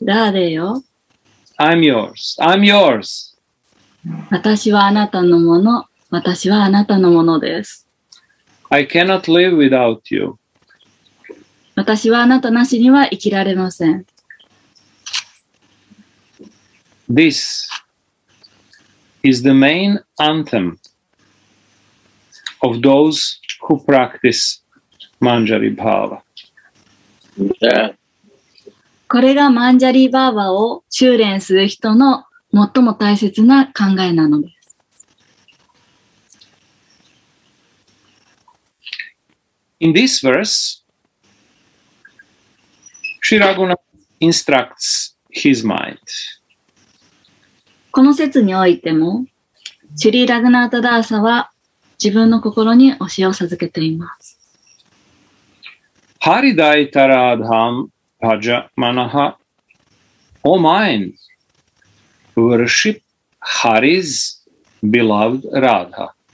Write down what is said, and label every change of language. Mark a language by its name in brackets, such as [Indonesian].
[Japanese] ラーデーよ。 [English] I'm yours. I'm yours. [Japanese] 私はあなたのもの。私はあなたのものです。 [English] I cannot live without you. [Japanese] 私はあなたなしには生きられません。 [English] This is the main anthem of those who practice Manjari Bhava. [Japanese] これがマンジャリバーバを修練する人の最も大切な考えなのです。 [English] In this verse, Sri Raghunath instructs his mind. [Japanese] この説においても、シュリー・ラグナータ・ダーサは自分の心に教えを授けています。 [Sanskrit] Haridaitaradham Paja Manaha [English] O mind, worship Hari's beloved Radha.